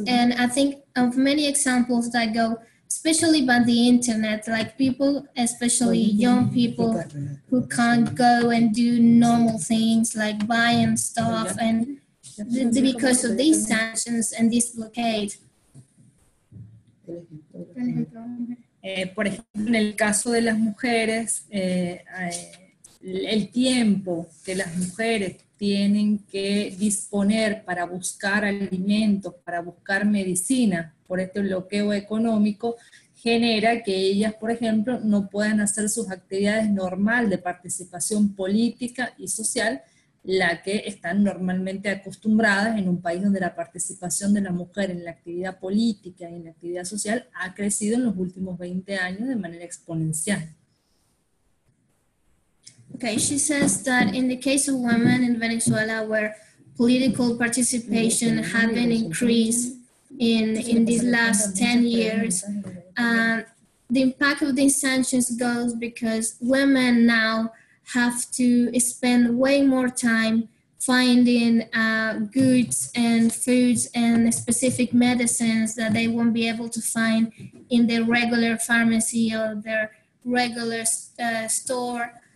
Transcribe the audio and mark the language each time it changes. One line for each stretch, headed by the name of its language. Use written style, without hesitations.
English: And I think of many examples that go, especially by the internet, like people, especially young people who can't go and do normal things like buying stuff, and because of these sanctions and this blockade.
Spanish: Por ejemplo, en el caso de las mujeres, el tiempo que las mujeres tienen que disponer para buscar alimentos, para buscar medicina, por este bloqueo económico, genera que ellas, por ejemplo, no puedan hacer sus actividades normales de participación política y social, la que están normalmente acostumbradas en un país donde la participación de la mujer en la actividad política y en la actividad social ha crecido en los últimos 20 años de manera exponencial.
English: Okay, she says that in the case of women in Venezuela, where political participation has been increased in these last 10 years, the impact of these sanctions goes because women now have to spend way more time finding goods and foods and specific medicines that they won't be able to find in their regular pharmacy or their regular store.